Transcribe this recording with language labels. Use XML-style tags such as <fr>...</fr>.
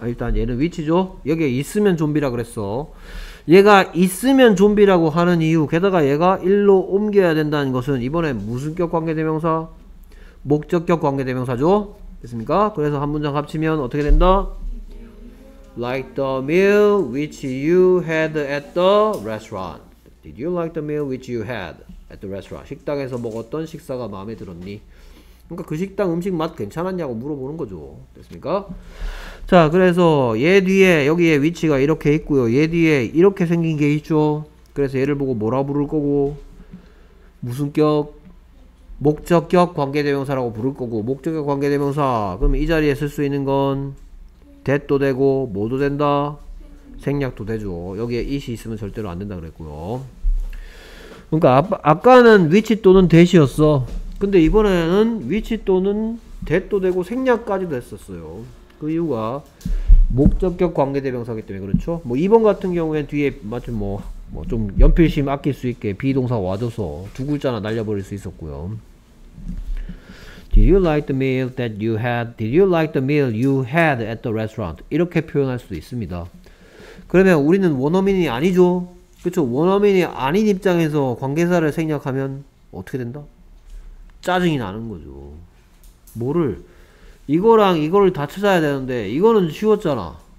<ko>일단 얘는 위치죠? 여기에 있으면 좀비라 그랬어. 얘가 있으면 좀비라고 하는 이유, 게다가 얘가 일로 옮겨야 된다는 것은 이번에 무슨 격 관계대명사? 목적격 관계대명사죠? 됐습니까? 그래서 한 문장 합치면 어떻게 된다?</ko> <en>Like the meal which you had at the restaurant. Did you like the meal which you had at the restaurant?</en> <ko>식당에서 먹었던 식사가 마음에 들었니? 그러니까 그 식당 음식 맛 괜찮았냐고 물어보는 거죠. 됐습니까? 자, 그래서 얘 뒤에 여기에 위치가 이렇게 있고요. 얘 뒤에 이렇게 생긴 게 있죠. 그래서 얘를 보고 뭐라 부를 거고 무슨 격? 목적격 관계대명사라고 부를 거고 목적격 관계대명사 그럼 이 자리에 쓸 수 있는 건 that도 되고 뭐도 된다? 생략도 되죠. 여기에 it이 있으면 절대로 안 된다 그랬고요. 그러니까 아까는 위치 또는 that이었어. 근데 이번에는 위치 또는 that도 되고 생략까지도 했었어요. 그 이유가 목적격 관계대명사기 때문에 그렇죠. 뭐 2번 같은 경우에 뒤에 마치 뭐 좀 연필심 아낄 수 있게 비동사 와줘서 두 글자나 날려버릴 수 있었고요.</ko> <en>Did you like the meal that you had? Did you like the meal you had at the restaurant?</en> <ko>이렇게 표현할 수도 있습니다. 그러면 우리는 원어민이 아니죠. 그렇죠. 원어민이 아닌 입장에서 관계사를 생략하면 어떻게 된다? 짜증이 나는 거죠. 뭐를? 이거랑 이거를 다 찾아야 되는데 이거는 쉬웠잖아.</ko>